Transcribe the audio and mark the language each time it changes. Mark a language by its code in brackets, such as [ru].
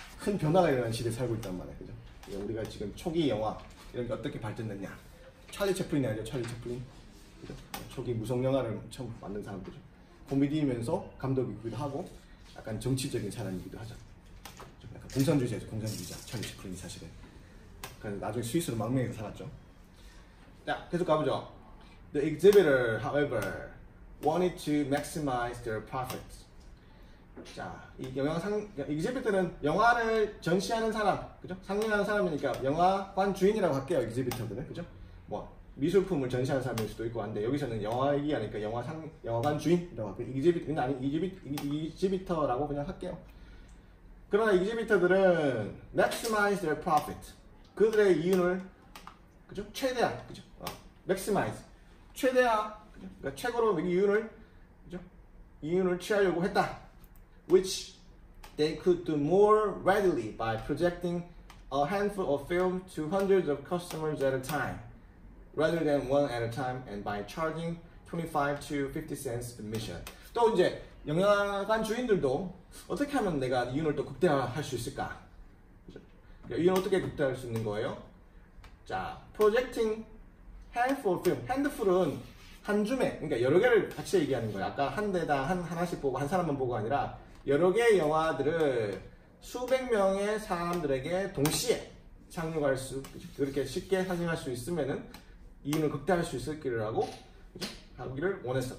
[ko] 큰 변화가 일어난 시대에 살고 있단 말이에요. 그죠? 우리가 지금 초기 영화, 이런 게 어떻게 발전됐냐. 찰리 채플린이 아니죠? 찰리 채플린. 그죠? 초기 무성 영화를 처음 만든 사람들이죠. 코미디이면서 감독이기도 하고 약간 정치적인 사람이기도 하죠. 좀 약간 공산주의자죠. 공산주의자 찰리 채플린이 사실은. 그래서 나중에 스위스로 망명해서 살았죠. 자, 계속 가보죠. [en] The exhibitor, however, wanted to maximize their profits. [ko] 자, 이 exhibitor은 영화를 전시하는 사람, 그죠? 상영하는 사람이니까 영화관 주인이라고 할게요. exhibitor들은, 그죠? 뭐 미술품을 전시하는 사람일 수도 있고 한데 여기서는 영화 얘기하니까 영화관 주인이라고 할게요. exhibitor라고 그냥 할게요. 그러나 exhibitor들은 [en] maximize their profit. [ko] 그들의 이윤을, 그죠? 최대한, 그죠? maximize. 최대한, 그죠? 그러니까 최고로 이윤을, 그죠? 이윤을 취하려고 했다. [en] Which they could do more readily by projecting a handful of film to hundreds of customers at a time, rather than one at a time, and by charging 25 to 50 cents admission. [ko] 또 이제, 영화관 주인들도 어떻게 하면 내가 이윤을 또 극대화할 수 있을까? 이건 어떻게 극대화할 수 있는 거예요? 자, [en] projecting handful of film. [ko] handful은 한 줌에, 그러니까 여러 개를 같이 얘기하는 거예요. 아까 한 대다 하나씩 보고, 한 사람만 보고 아니라, 여러 개의 영화들을 수백 명의 사람들에게 동시에 상륙할 수, 그렇게 쉽게 상륙할 수 있으면은, 이윤을 극대화할 수 있을 길이라고, 하기를 원했어.